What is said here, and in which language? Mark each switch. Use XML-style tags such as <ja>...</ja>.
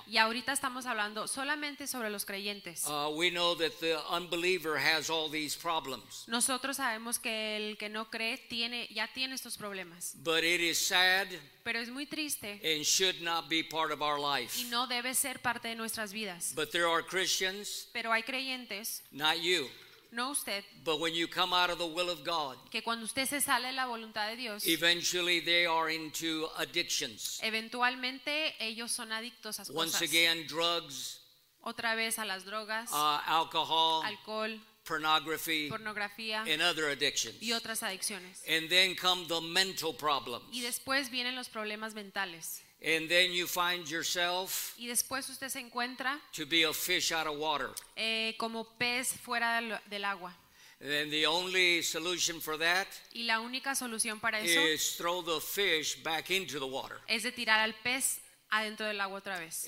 <es>Y ahorita estamos hablando solamente sobre los creyentes.</es> <en>We know that the unbeliever has all these problems.</en> <es>Nosotros sabemos que el que no cree ya tiene estos problemas.</es> <en>But it is sad.</en> <es>Pero es muy triste.</es> <en>And should not be part of our life.</en> <es>Y no debe ser parte de nuestras vidas.</es> <en>But there are Christians.</en> <es>Pero hay creyentes.</es> <en>Not you.</en> <es>No usted.</es> <en>But when you come out of the will of God,</en> <es>que cuando usted se sale de la voluntad de Dios,</es> <en>eventually they are into addictions.</en> <es>Eventualmente ellos son adictos a cosas.</es> <en>Once again, drugs.</en> <es>Otra vez a las drogas.</es> <en>Alcohol.</en> <es>Alcohol.</es> <en>pornography,</en> <es>pornografía,</es> <en>and other addictions.</en> <es>Y otras adicciones.</es> <en>And then come the mental problems.</en> <es>Y después vienen los problemas mentales.</es> <en>And then you find yourself,</en> <es>y después usted se encuentra,</es> <en>to be a fish out of water.</en> <es>Como pez fuera del agua.</es> <en>And the only solution for that,</en> <es>y la única solución para eso,</es> <en>is throw the fish back into the water.</en> <es>Es de tirar al pez adentro del agua otra vez.</es>